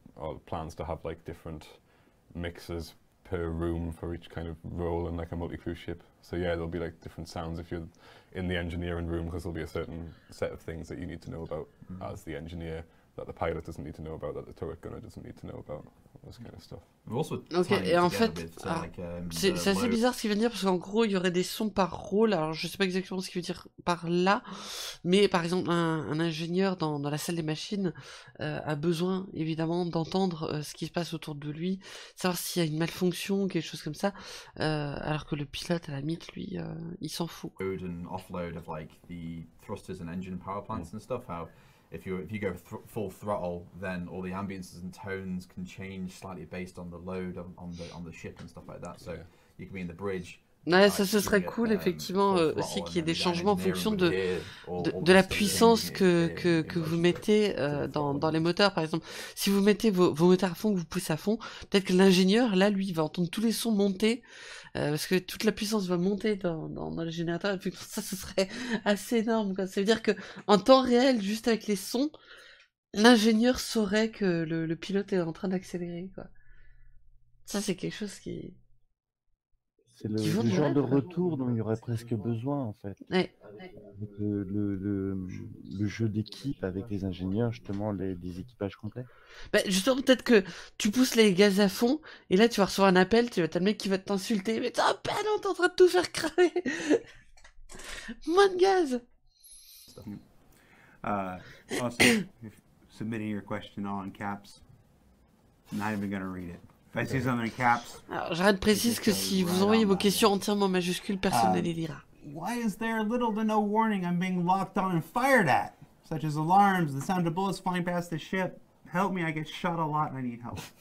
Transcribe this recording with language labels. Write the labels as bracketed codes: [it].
[en] Or plans to have like different mixes per room for each kind of role in like a multi-crew ship. So yeah, there'll be like different sounds if you're in the engineering room, because there'll be a certain set of things that you need to know about as the engineer that the pilot doesn't need to know about, that the turret gunner doesn't need to know about, all this kind of stuff. Also okay, [fr] et en fait, c'est assez bizarre ce qu'il vient de dire, parce qu'en gros, il y aurait des sons par rôle. Alors, je sais pas exactement ce qu'il veut dire par là, mais par exemple, un ingénieur dans la salle des machines a besoin évidemment d'entendre ce qui se passe autour de lui, savoir s'il y a une malfonction, quelque chose comme ça. Alors que le pilote, à la limite, lui, il s'en fout. [en] Load and offload of like the thrusters and engine power plants and stuff. How if you go full throttle, then all the ambiences and tones can change slightly based on the load on the ship and stuff like that. So yeah. You can be in the bridge. [fr] Ouais, ça ce serait cool effectivement aussi qu'il y ait des changements en fonction de la puissance que vous mettez dans les moteurs. Par exemple, si vous mettez vos moteurs à fond, que vous poussez à fond, peut-être que l'ingénieur là, lui, va entendre tous les sons monter parce que toute la puissance va monter dans le générateur. Et puis, ça ce serait assez énorme, quoi. Ça veut dire que en temps réel, juste avec les sons, l'ingénieur saurait que le pilote est en train d'accélérer, quoi. Ça c'est quelque chose qui... C'est le genre de retour dont il y aurait presque besoin, en fait. Ouais. Le jeu d'équipe avec les ingénieurs, justement, les équipages complets. Bah, justement, peut-être que tu pousses les gaz à fond, et là, tu vas recevoir un appel, tu vas t'as le mec qui va t'insulter, mais t'es en panne, t'es en train de tout faire cramer. Moins de gaz. [en] Also, submitting your question all in caps, not even gonna read it. [fr] J'arrête de préciser que si vous envoyez vos questions entièrement en majuscules, personne ne les lira. [en] Why is there little to no warning I'm being locked on and fired at? Such as alarms, the sound of bullets flying past the ship. Help me, I get shot a lot and I need help.